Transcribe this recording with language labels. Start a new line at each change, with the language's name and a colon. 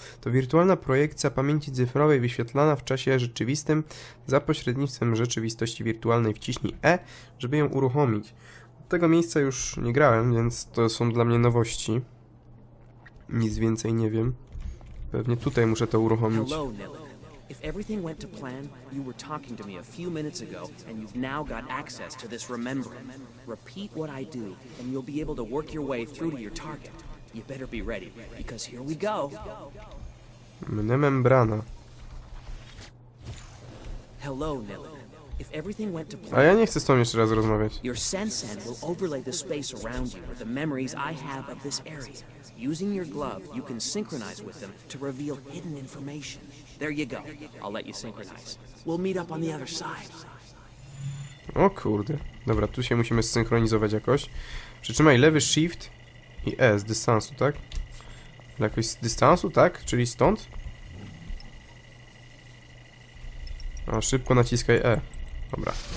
Polish: To wirtualna projekcja pamięci cyfrowej wyświetlana w czasie rzeczywistym za pośrednictwem rzeczywistości wirtualnej. Wciśnij E, żeby ją uruchomić. Od tego miejsca już nie grałem, więc to są dla mnie nowości. Nic więcej nie wiem. Pewnie tutaj muszę to uruchomić.
English: If everything went to plan, you were talking to me a few minutes ago, and you've now got access to this remembrance. Repeat what I do, and you'll be able to work your way through to your target. You better be ready, because here we go. Mne membrana. Hello, Nilin. If everything went to plan,
Polish: a ja nie chcę z tobą jeszcze raz rozmawiać.
English: Your sensen will overlay the space around you with the memories I have of this area. Using your glove, you can synchronize with them to reveal hidden information. There you go. I'll let you synchronize. We'll meet up on the other side.
Polish: O kurde. Dobra, tu się musimy zsynchronizować jakoś. Przytrzymaj lewy shift i E z dystansu, tak? Jakoś z dystansu, tak? Czyli stąd? A szybko naciskaj E. Dobra.